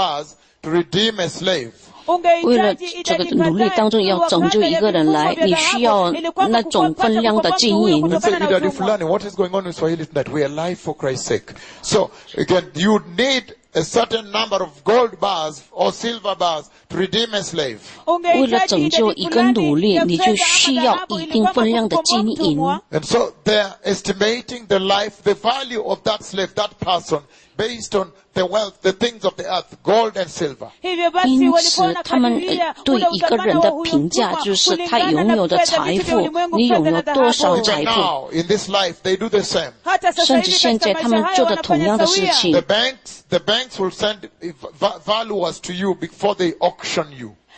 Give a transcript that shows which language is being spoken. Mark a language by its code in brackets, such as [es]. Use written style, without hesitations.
[zh] 评判你，评判你，这就是评价人们的办法。现在，那个时候也是的，评价人的办法。如果你充分的有金银，能够把它赎买过来，那就你可以用的。为了这个奴隶当中要拯救一个人来，你需要那种分量的经营。 [en] What is going on in Swahili is that we are alive for Christ's sake. So again, you need a certain number of gold bars or silver bars to redeem a slave. [zh] 为了拯救一个奴隶，你就需要一定分量的金银。 [en] And so they're estimating the life, the value of that slave, that person, based on the wealth, the things of the earth, gold and silver. [zh] 因此他们对一个人的评价就是他拥有的财富，你拥有多少财富。 [en] Now, in this life, they do the same. [zh] 甚至现在他们做的同样的事情。 [en] The banks will send valuers to you before they auction you.